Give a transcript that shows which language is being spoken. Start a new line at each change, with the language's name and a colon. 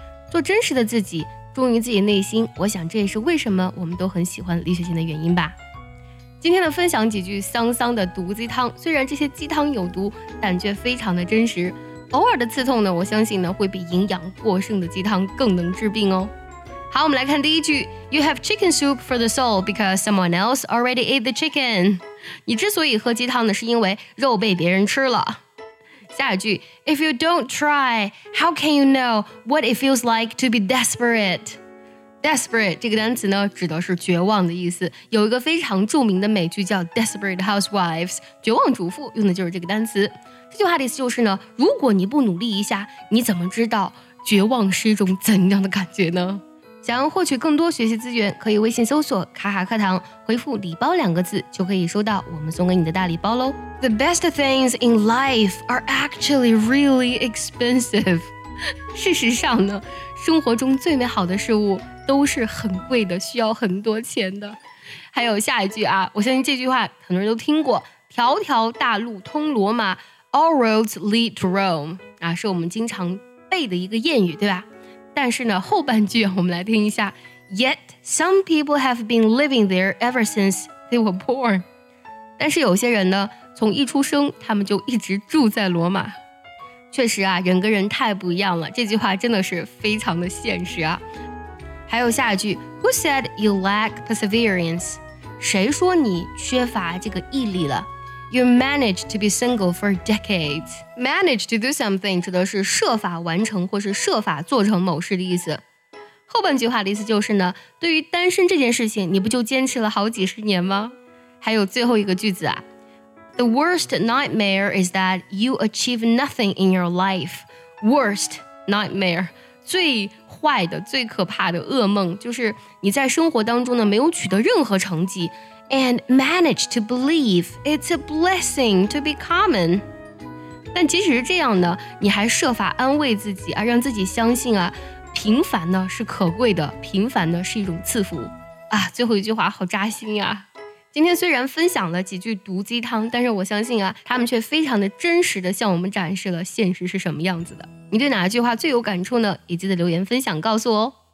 Chinese: 做真实的自己，忠于自己内心，我想这也是为什么我们都很喜欢李雪琴的原因吧。今天的分享几句桑桑的毒鸡汤，虽然这些鸡汤有毒，但却非常的真实。偶尔的刺痛呢，我相信呢会比营养过剩的鸡汤更能治病哦。好，我们来看第一句
English: ：You have chicken soup for the soul because someone else already ate the chicken。
Chinese: 你之所以喝鸡汤呢，是因为肉被别人吃了。下一句
English: ，If you don't try, how can you know what it feels like to be desperate?
Chinese: Desperate 这个单词呢，指的是绝望的意思。有一个非常著名的美剧叫《Desperate Housewives》，绝望主妇用的就是这个单词。这句话的意思就是呢，如果你不努力一下，你怎么知道绝望是一种怎样的感觉呢？想要获取更多学习资源，可以微信搜索卡卡课堂，回复礼包两个字，就可以收到我们送给你的大礼包咯。
English: The best things in life are actually really expensive.
Chinese: 事实上呢，生活中最美好的事物都是很贵的，需要很多钱的。还有下一句啊，我相信这句话很多人都听过，条条大路通罗马，
English: All roads lead to Rome.
Chinese: 啊，是我们经常背的一个谚语，对吧？但是呢，后半句我们来听一下。
English: Yet some people have been living there ever since they were born.
Chinese: 但是有些人呢，从一出生，他们就一直住在罗马。确实啊，人跟人太不一样了。这句话真的是非常的现实啊。还有下一句
English: ，Who said you lack perseverance?
Chinese: 谁说你缺乏这个毅力了？
English: You managed to be single for decades. Manage to do something
Chinese: 指的是设法完成或是设法做成某事的意思。后半句话的意思就是呢，对于单身这件事情，你不就坚持了好几十年吗？还有最后一个句子啊，
English: The worst nightmare is that you achieve nothing in your life. Worst nightmare
Chinese: 最坏的、最可怕的噩梦就是你在生活当中呢没有取得任何成绩。
English: And manage to believe it's a blessing to be common.
Chinese: 但即使是这样呢，你还设法安慰自己啊，让自己相信啊，平凡呢是可贵的，平凡呢是一种赐福啊。最后一句话好扎心呀！今天虽然分享了几句毒鸡汤，但是我相信啊，他们却非常的真实的向我们展示了现实是什么样子的。你对哪一句话最有感触呢？也记得留言分享告诉我哦。